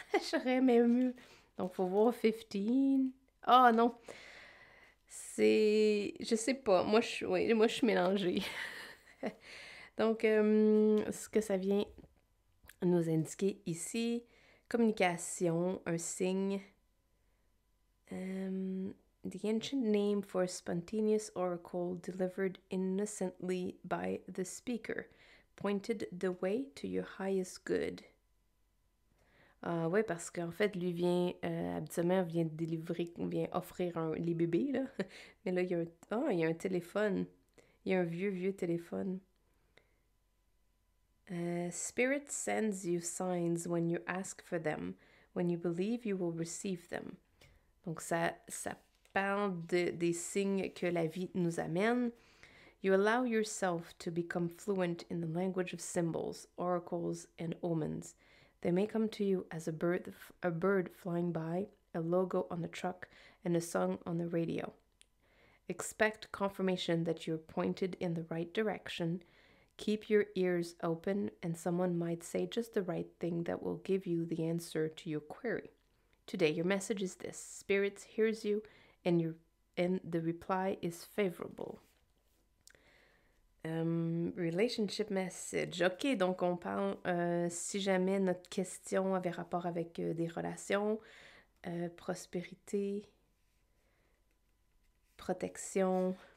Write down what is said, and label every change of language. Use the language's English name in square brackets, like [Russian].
[French] J'aurais même eu. Donc, faut voir 15. Ah non! Je sais pas. Moi, je suis mélangée. Donc, ce que ça vient nous indiquer ici, communication, un signe. [English] The ancient name for a spontaneous oracle delivered innocently by the speaker pointed the way to your highest good. [French] Ah ouais, parce qu'en fait, lui vient, habituellement, vient délivrer, vient offrir les bébés, là. Mais là, il y a un téléphone. Il y a un vieux téléphone. [English] Spirit sends you signs when you ask for them. When you believe, you will receive them. [French] Donc, ça parle des signes que la vie nous amène. [English] You allow yourself to become fluent in the language of symbols, oracles, and omens. They may come to you as a bird flying by, a logo on a truck, and a song on the radio. Expect confirmation that you're pointed in the right direction. Keep your ears open, and someone might say just the right thing that will give you the answer to your query. Today, your message is this. Spirit hears you, and the reply is favorable. Relationship message. [French] OK, donc on parle, si jamais notre question avait rapport avec des relations, prospérité, protection.